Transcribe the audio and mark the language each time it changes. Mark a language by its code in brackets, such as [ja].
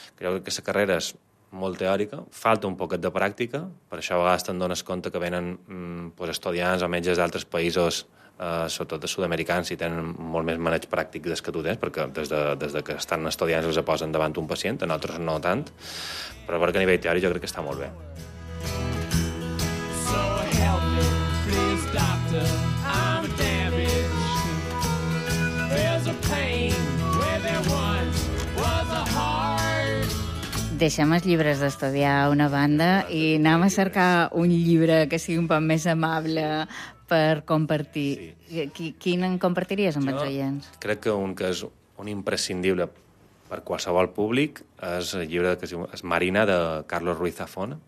[ca] Jo crec que la carrera és molt teòrica, falta un poquet de pràctica, per això a vegades te'n dones compte que venen pues, estudiants o metges d'altres països, sobretot de sud-americans, i tenen molt més maneig pràctic des que tu tens, perquè des de que estan estudiants els posen davant un pacient, en altres no tant, però perquè a nivell teòric jo crec que està molt bé. [en] So help me, please, doctor, I'm damaged. There's a pain where there once was a heart. [ca] Deixem els llibres d'estudiar a una banda i anem a cercar un llibre que sigui un poc més amable per compartir. Sí. Quin en compartiries amb els oients? Crec que un que és un imprescindible per qualsevol públic és el llibre que es diu Marina, de Carlos Ruiz Zafón.